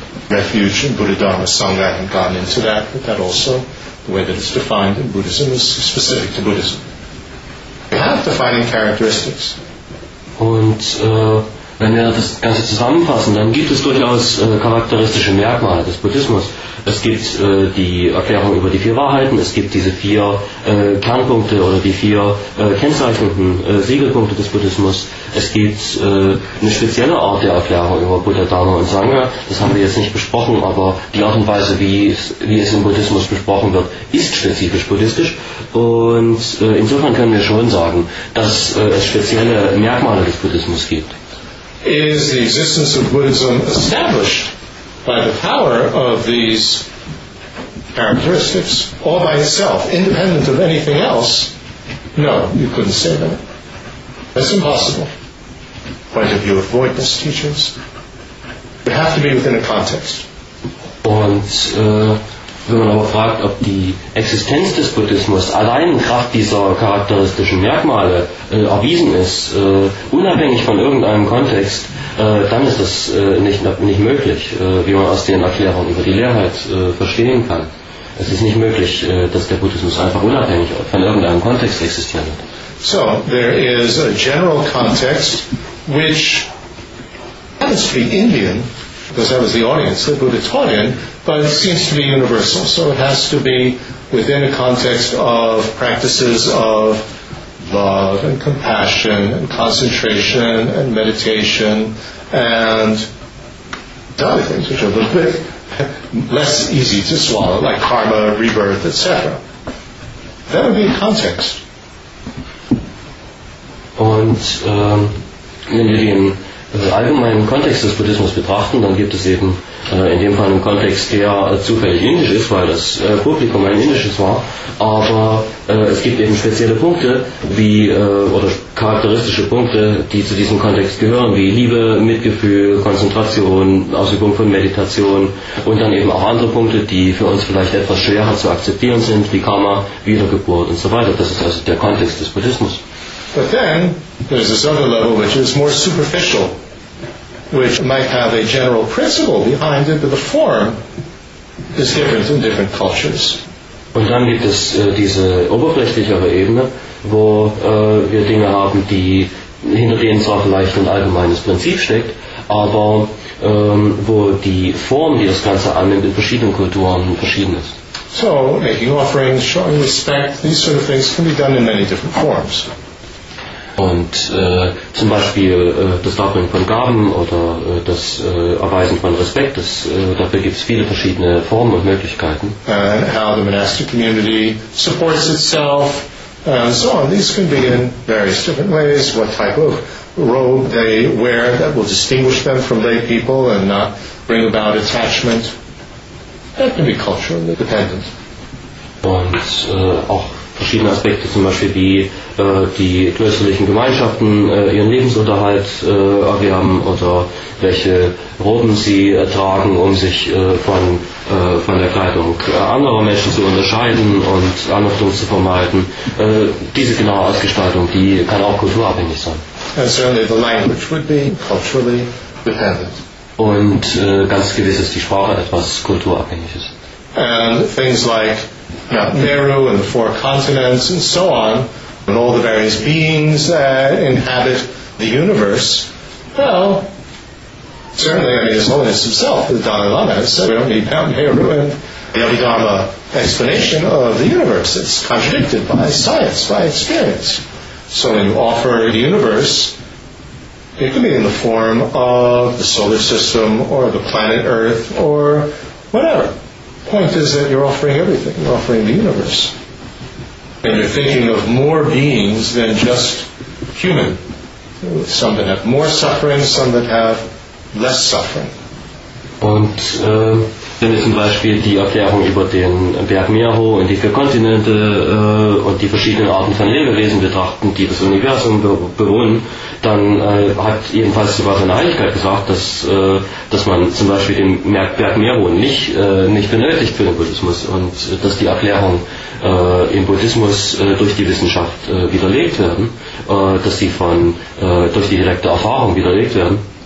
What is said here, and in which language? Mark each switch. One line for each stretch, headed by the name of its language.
English: Refuge in Buddha, Dharma, Sangha, I haven't gotten into that, but that also, the way that it's defined in Buddhism is specific to Buddhism. We have defining characteristics.
German: Und wenn wir das Ganze zusammenfassen, dann gibt es durchaus charakteristische Merkmale des Buddhismus. Es gibt die Erklärung über die vier Wahrheiten, es gibt diese vier Kernpunkte oder die vier kennzeichnenden Siegelpunkte des Buddhismus. Es gibt eine spezielle Art der Erklärung über Buddha, Dharma und Sangha. Das haben wir jetzt nicht besprochen, aber die Art und Weise, wie es im Buddhismus besprochen wird, ist spezifisch buddhistisch. Und insofern können wir schon sagen, dass es spezielle Merkmale des Buddhismus gibt.
English: Is the existence of Buddhism established by the power of these characteristics all by itself, independent of anything else? No, you couldn't say that. That's impossible. Point of view of voidness teachers. You have to be within a context.
German: Und wenn man aber fragt, ob die Existenz des Buddhismus allein Kraft dieser charakteristischen Merkmale erwiesen ist, unabhängig von irgendeinem Kontext, dann ist das nicht möglich, wie man aus den Erklärungen über die Leerheit verstehen kann. Es ist nicht möglich, dass der Buddhismus einfach unabhängig von irgendeinem Kontext existieren wird.
English: So, there is a general context, which happens to be Indian, because that was the audience the Buddha taught in, but it seems to be universal. So it has to be within a context of practices of love and compassion and concentration and meditation and the other things which are a little bit less easy to swallow, like karma, rebirth, etc. That would be a context.
German: Und wenn wir den allgemeinen Kontext des Buddhismus betrachten, dann gibt es eben in dem Fall einen Kontext, der zufällig indisch ist, weil das Publikum ein indisches war, aber es gibt eben spezielle Punkte, wie oder charakteristische Punkte, die zu diesem Kontext gehören, wie Liebe, Mitgefühl, Konzentration, Ausübung von Meditation und dann eben auch andere Punkte, die für uns vielleicht etwas schwerer zu akzeptieren sind, wie Karma, Wiedergeburt und so weiter. Das ist also der Kontext des Buddhismus.
English: But then, there's this other level which is more superficial, which might have a general principle behind it, but the form is different in different cultures.
German: Und dann gibt es diese oberflächlichere Ebene, wo wir Dinge haben, die hinter denen zwar vielleicht ein allgemeines Prinzip steckt, aber wo die Form, die das Ganze annimmt, in verschiedenen Kulturen verschieden ist.
English: So, making offerings, showing respect, these sort of things can be done in many different forms.
German: Und zum Beispiel das Darbringen von Gaben oder das Erweisen von Respekt, dafür gibt es viele verschiedene Formen und Möglichkeiten.
English: And how the monastic community supports itself, and so on. These can be in various different ways. What type of robe they wear that will distinguish them from lay people and not bring about attachment. That can be culturally dependent.
German: Und auch verschiedene Aspekte, zum Beispiel wie die klösterlichen Gemeinschaften ihren Lebensunterhalt erwerben oder welche Roben sie tragen, um sich von der Kleidung anderer Menschen zu unterscheiden und Anhaftung zu vermeiden. Diese genaue Ausgestaltung, die kann auch kulturabhängig sein.
English: And certainly the language would be culturally dependent.
German: Und ganz gewiss ist die Sprache etwas Kulturabhängiges.
English: And things like Meru and the four continents and so on, and all the various beings that inhabit the universe, well, certainly, I mean, His Holiness Himself, the Dalai Lama, so we don't need Meru and the Abhidharma explanation of the universe. It's contradicted by science, by experience. So when you offer the universe, it could be in the form of the solar system or the planet Earth or whatever. The point is that you're offering everything. You're offering the universe. And you're thinking of more beings than just human. Some that have more suffering, some that have less suffering.
German: Und wenn es zum Beispiel die Erklärung über den Berg Meru und die vier Kontinente und die verschiedenen Arten von Lebewesen betrachten, die das Universum bewohnen, dann hat jedenfalls sogar seine Heiligkeit gesagt, dass man zum Beispiel den Berg Meru nicht benötigt für den Buddhismus und dass die Erklärung im Buddhismus durch die Wissenschaft widerlegt werden, dass sie durch die direkte Erfahrung widerlegt werden.